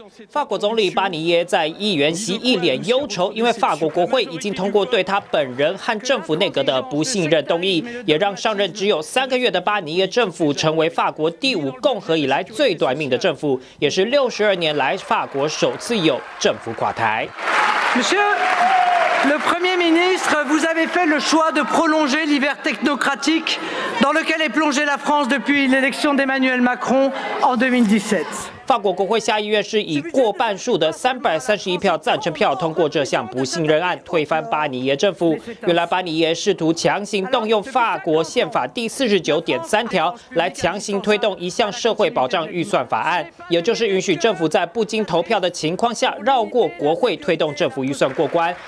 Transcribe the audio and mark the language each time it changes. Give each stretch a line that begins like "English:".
Chinese: 法国总理巴尼耶在议员席一脸忧愁，因为法国国会已经通过对他本人和政府内阁的不信任动议，也让上任只有3个月的巴尼耶政府成为法国第五共和以来最短命的政府，也是62年来法国首次有政府垮台。
French: Monsieur le Premier ministre, vous avez fait le choix de prolonger l'hiver technocratique dans lequel est plongée la France depuis l'élection d'Emmanuel Macron en 2017.
Chinese: 法国国会下议院是以过半数的331票赞成票通过这项不信任案，推翻巴尼耶政府。原来巴尼耶试图强行动用法国宪法第49.3条来强行推动一项社会保障预算法案，也就是允许政府在不经投票的情况下绕过国会推动政府预算过关。